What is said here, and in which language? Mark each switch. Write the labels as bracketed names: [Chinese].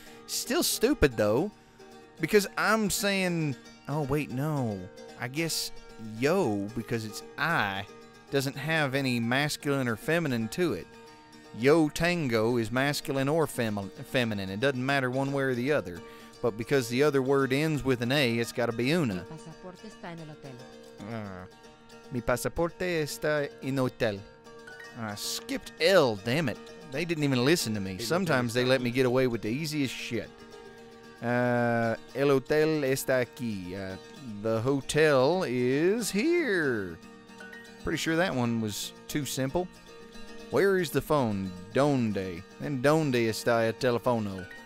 [English] Still stupid, though, because I'm saying, I guess yo, because it's I, doesn't have any masculine or feminine to it. Yo tango is masculine or feminine. It doesn't matter one way or the other, but because the other word ends with an A, it's got to be una. [Spanish] Mi pasaporte está en el hotel. Mi pasaporte está en hotel. [English] I skipped L, damn it. They didn't even listen to me. Sometimes they let me get away with the easiest shit. [Spanish] El hotel está aquí. [English] The hotel is here. Pretty sure that one was too simple. Where is the phone? Donde. [Spanish] And donde está el teléfono?